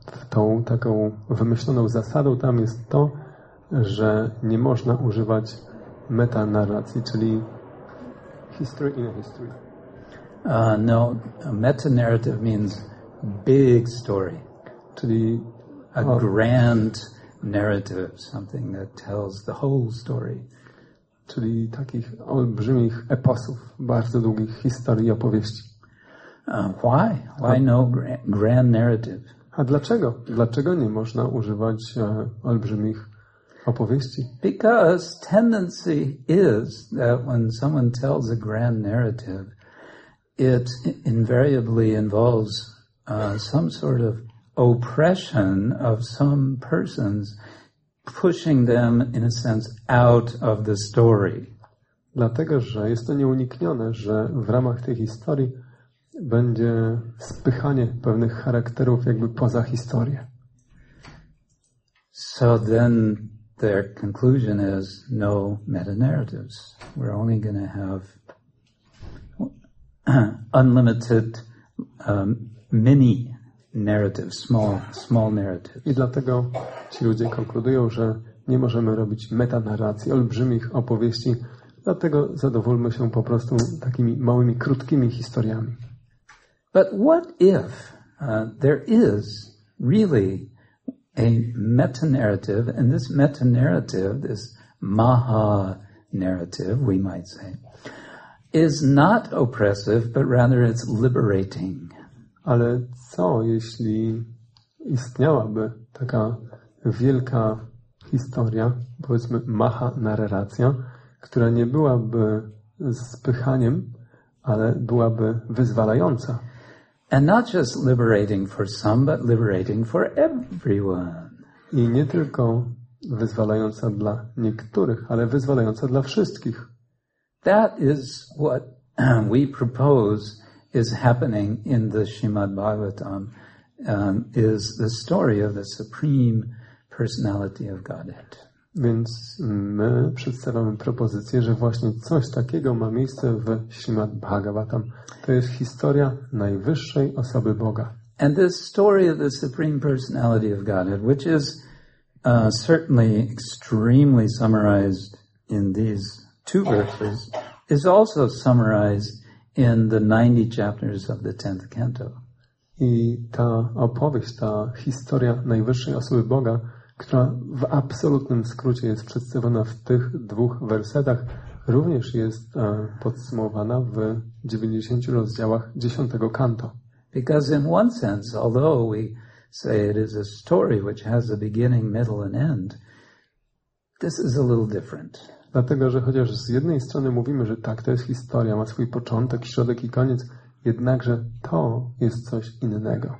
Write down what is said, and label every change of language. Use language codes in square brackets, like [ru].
[pl] Tą taką wymyśloną zasadą tam jest to, że nie można używać metanarracji, czyli [en] history in a history. No, a metanarrative means big story. [pl] Czyli [en] a grand narrative, something that tells the whole story. [pl] Czyli takich olbrzymich eposów, bardzo długich historii i opowieści. [en] Why? Why no grand narrative? [pl] A dlaczego? Dlaczego nie można używać olbrzymich opowieści? [en] Because tendency is that when someone tells a grand narrative, it invariably involves some sort of oppression of some persons, pushing them in a sense out of the story. [pl] Dlatego, że jest to nieuniknione, że w ramach tej historii będzie spychanie pewnych charakterów jakby poza historię. [en] So then their conclusion is no meta narratives. We're only going to have unlimited mini narratives, small narratives. [pl] I dlatego ci ludzie konkludują, że nie możemy robić meta narracji, olbrzymich opowieści, dlatego zadowólmy się po prostu takimi małymi, krótkimi historiami. [en] But what if there is really a meta-narrative, and this meta-narrative, this maha-narrative, we might say, is not oppressive, but rather it's liberating. [pl] Ale co, jeśli istniałaby taka wielka historia, powiedzmy maha-narracja, która nie byłaby spychaniem, ale byłaby wyzwalająca? [en] And not just liberating for some, but liberating for everyone. [pl] I nie tylko wyzwalająca dla niektórych, ale wyzwalająca dla wszystkich. [en] That is what we propose is happening in the Srimad Bhagavatam, is the story of the Supreme Personality of Godhead. [pl] Więc my przedstawiamy propozycję, że właśnie coś takiego ma miejsce w Śrimad Bhagavatam. To jest historia najwyższej osoby Boga. [en] And this story of the Supreme Personality of Godhead, which is certainly extremely summarized in these two verses, is also summarized in the 90 chapters of the 10th canto. [pl] I ta opowieść, ta historia najwyższej osoby Boga, która w absolutnym skrócie jest przedstawiona w tych dwóch wersetach, również jest podsumowana w 90 rozdziałach 10 kanto. [en] Because in one sense, although we say it is a story which has a beginning, middle and end, this is a little different. [pl] Dlatego, że chociaż z jednej strony mówimy, że tak, to jest historia, ma swój początek, środek i koniec, jednakże to jest coś innego.